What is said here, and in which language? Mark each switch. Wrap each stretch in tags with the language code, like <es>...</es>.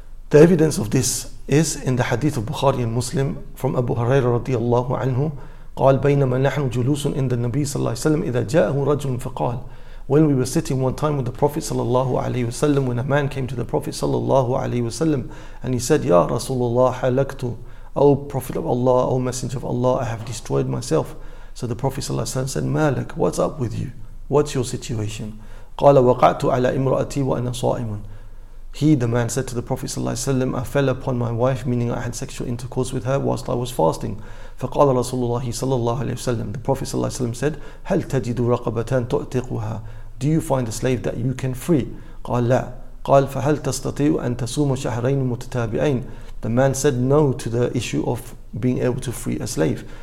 <en>The evidence of this is in the hadith of Bukhari and Muslim from Abu Huraira radiallahu anhu,</en> <ar>قال بينما نحن جلوس عند النبي صلى الله عليه وسلم إذا جاءه رجل فقال,</ar> <en>when we were sitting one time with the Prophet sallallahu alaihi wasallam, when a man came to the Prophet sallallahu alaihi wasallam and he said,</en> <ar>Ya Rasulullah, halaktu,</ar> <en>O Prophet of Allah, O Messenger of Allah, I have destroyed myself. So the Prophet sallallahu alaihi wasallam said, Malak, what's up with you? What's your situation?</en> <ar>قال وقعت على امرأتي وأنا صائم.</ar> <en>He, the man, said to the Prophet sallallahu alaihi wasallam, I fell upon my wife, meaning I had sexual intercourse with her whilst I was fasting.</en> <ar>فقال رسول الله صلى الله عليه وسلم,</ar> <en>the Prophet sallallahu alaihi wasallam said,</en> <ar>هل تجد رقبتان تؤتقها,</ar> <en>do you find a slave that you can free?</en> <ar>قال لا. قال فهل تستطيع أن تصوم شهرين متتابعين,</ar> <en>the man said no to the issue of being able to free a slave.</en>